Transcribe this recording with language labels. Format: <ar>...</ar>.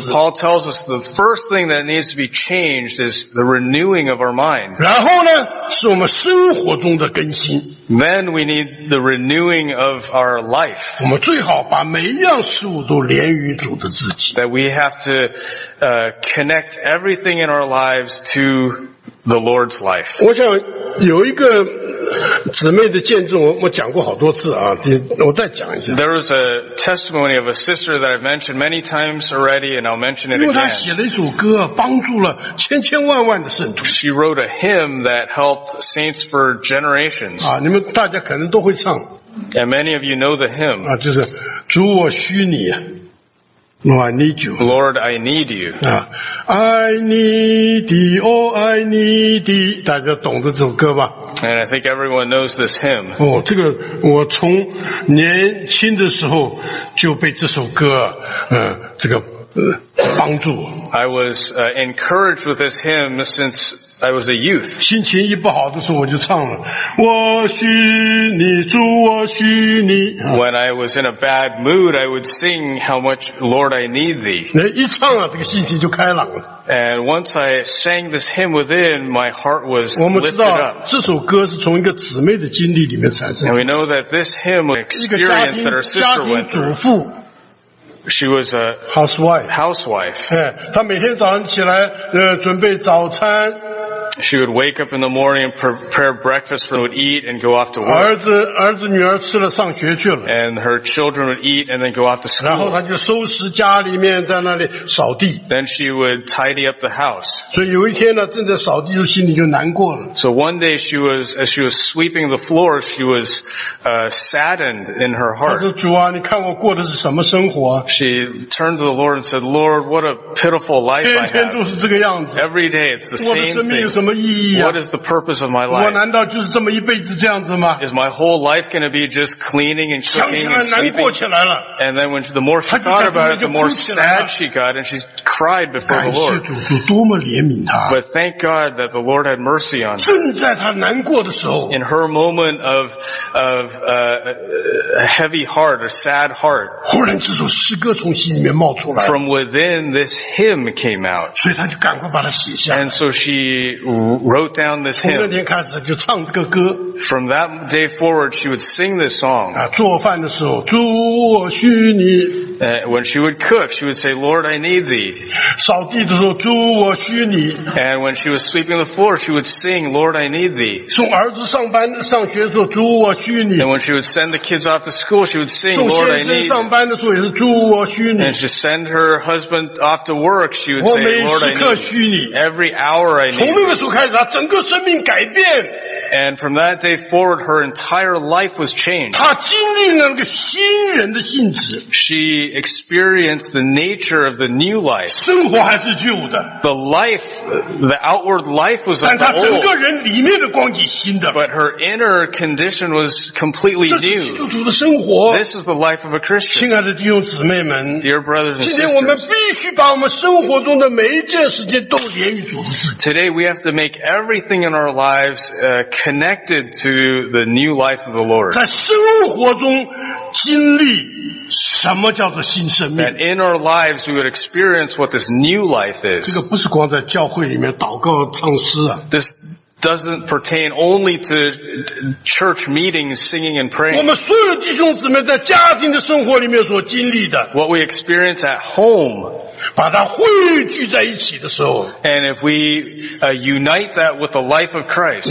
<en>So Paul tells us the first thing that needs to be changed is the renewing of our mind.</en> <zh>然后呢，是我们生活中的更新。</zh> <en>Then we need the renewing of our life.</en> <zh>我们最好把每一样事物都连于主的自己。</zh> <en>That we have to connect everything in our lives to the Lord's life.</en> <zh>我想有一个姊妹的见证，我讲过好多次啊，我再讲一下。</zh> <en>There was a testimony of a sister that I've mentioned many times already, and I'll mention it again.</en> <zh>因为她写了一首歌，帮助了千千万万的圣徒。</zh> <en>She wrote a hymn that helped saints for generations.</en> <zh>啊，你们大家可能都会唱。</zh> <en>And many of you know the hymn.</en> <zh>啊，就是主我需你。</zh> <en>No, I need you. Lord, I need you. I need thee, oh, I need thee.</en> <zh>大家懂得这首歌吧?</zh> <en>And I think everyone knows this hymn.</en> <zh>哦，这个我从年轻的时候就被这首歌，这个帮助。</zh> <en>I was encouraged with this hymn since I was a youth.</en> <zh>心情一不好的时候我就唱了。我需你，主我需你。</zh> <en>When I was in a bad mood, I would sing how much, Lord, I need thee.</en> <zh>那一唱啊，这个心情就开朗了。</zh> <en>And once I sang this hymn within, my heart was lifted up.</en> <zh>我们知道这首歌是从一个姊妹的经历里面产生。</zh> <en>And we know that this hymn was an experience that our sister went through. She was a housewife.</en> <zh>她每天早上起来，准备早餐。</zh> <en>She would wake up in the morning and prepare breakfast for them, would eat and go off to work.</en> <zh>儿子女儿吃了上学去了。</zh> <en>And her children would eat and then go off to school.</en> <zh>然后她就收拾家里面在那里扫地。</zh> <en>Then she would tidy up the house.</en> <zh>所以有一天呢正在扫地就心里就难过了。</zh> <en>So one day she was, as she was sweeping the floor, she was, saddened in her heart.</en> <zh>她说主啊你看我过的是什么生活。</zh> <en>She turned to the Lord and said, Lord, what a pitiful life</en> <zh>天天都是这个样子。</zh> <en>Every day it's the same thing. What is the purpose of my life?</en> <zh>我难道就是这么一辈子这样子吗?</zh> <en>Is my whole life going to be just cleaning and cooking and sleeping? And then when the more she thought about it, the more sad she got, and she cried before the Lord.</en> <zh>感谢主，主多么怜悯她。</zh> <en>But thank God that the Lord had mercy on her.</en> <zh>正在她难过的时候。</zh> <en>In her moment of a heavy heart, a sad heart.</en> <zh>忽然这首诗歌从心里面冒出来。</zh> <en>From within, this hymn came out.</en> <zh>所以她就赶快把它写下。</zh> <en>And so she wrote down this hymn.</en> <zh>从那天开始就唱这个歌。</zh> <en>From that day forward, she would sing this song.</en> <zh>啊，做饭的时候，主我需你。</zh> <en>When she would cook, she would say, Lord, I need thee.</en> <zh>扫地的时候，主我需你。</zh> <en>And when she was sweeping the floor, she would sing, Lord, I need thee.</en> <zh>送儿子上班上学的时候，主我需你。</zh> <en>And when she would send the kids off to school, she would sing, Lord, I need thee.</en> <zh>送先生上班的时候也是主我需你。</zh> <en>And she would send her husband off to work, she would say, Lord, I need thee. Every hour I need thee.</en> <zh>从那个时候开始，她整个生命改变。</zh> <en>And from that day forward, her entire life was changed.</en> <zh>她经历了那个新人的性质。</zh> <en>She experienced the nature of the new life.</en> <zh>生活还是旧的。</zh> <en>The life, the outward life was of the old.</en> <zh>但她整个人里面的光景新的。</zh> <en>But her inner condition was completely new.</en> <zh>这是基督徒的生活。</zh> <en>This is the life of a Christian.</en> <zh>亲爱的弟兄姊妹们。</zh> <en>Dear brothers and sisters.</en> <zh>今天我们必须把我们生活中的每一件事情都连于主的自己。</zh> <en>Today we have to make everything in our lives, connected to the new life of the Lord.</en> <zh>在生活中经历什么叫做新生命。</zh> <en>And in our lives, we would experience what this new life is.</en> <zh>这个不是光在教会里面祷告唱诗啊。</zh> <en>This doesn't pertain only to church meetings, singing and praying.</en> <zh>我们所有弟兄姊妹在家庭的生活里面所经历的。</zh> <en>What we experience at home.</en> <zh>把它汇聚在一起的时候。</zh> <en>And if we, unite that with the life of Christ.</en>